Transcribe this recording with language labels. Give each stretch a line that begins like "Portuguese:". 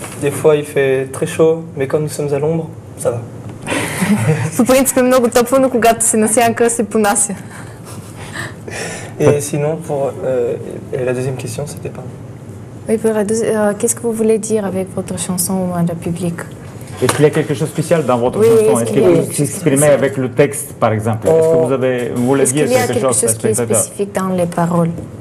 French: Des fois, il fait très chaud, mais quand nous sommes à l'ombre, ça va.
Bulgarian: По принцип е много топло, но когато си на сянка, се понася.
French: И sinon pour la deuxième question, c'était pas. Oui, pour la deuxième, qu'est-ce que vous voulez dire avec votre chanson au moins de public? Est-ce qu'il y a quelque chose de spécial dans votre chanson? Est-ce qu'il y a quelque chose qui s'exprime avec le texte, par exemple? Est-ce que vous avez voulu dire quelque chose spécifique dans les paroles?